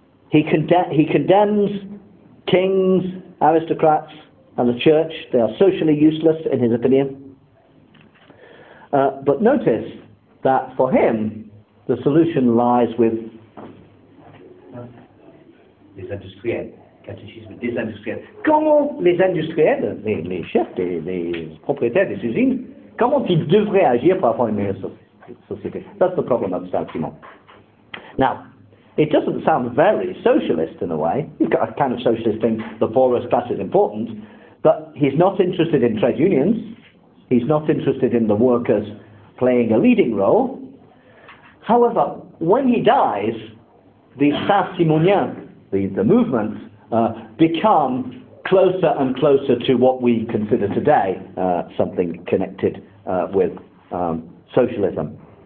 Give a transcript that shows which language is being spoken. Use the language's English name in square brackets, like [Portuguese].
[English] He condemns kings, aristocrats, and the church. They are socially useless, in his opinion. But notice that for him, the solution lies with [French] les industriels. Des industriels. Comment les industriels, les chefs, les propriétaires des usines, comment ils devraient agir pour avoir une meilleure société? [English] That's the problem of Saint-Simon. Now, it doesn't sound very socialist in a way. You've got a kind of socialist thing, the poorest class is important, but he's not interested in trade unions. He's not interested in the workers playing a leading role. However, when he dies, the Saint-Simonien, the movement, become closer and closer to what we consider today something connected with socialism.